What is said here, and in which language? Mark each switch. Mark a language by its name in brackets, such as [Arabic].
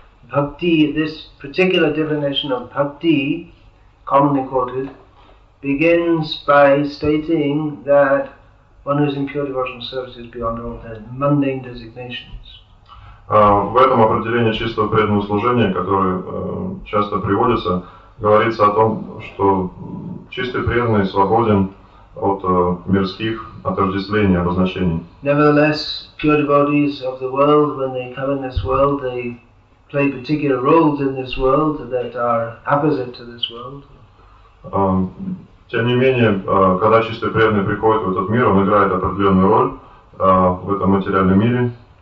[English] Bhakti, this particular definition of bhakti, commonly quoted, begins by stating that one who is in pure devotional service is beyond all the mundane designations. [Russian] В этом определении чистого преданного служения, которое часто приводится, говорится о том, что чистый преданный свободен от мирских отождествлений, обозначений. [English] Nevertheless, pure devotees of the world, when they come in this world, they play particular roles in this world that are opposite to this world. [Russian] Тем не менее, когда чистый преданный приходит в этот мир, он играет определенную роль в этом материальном мире.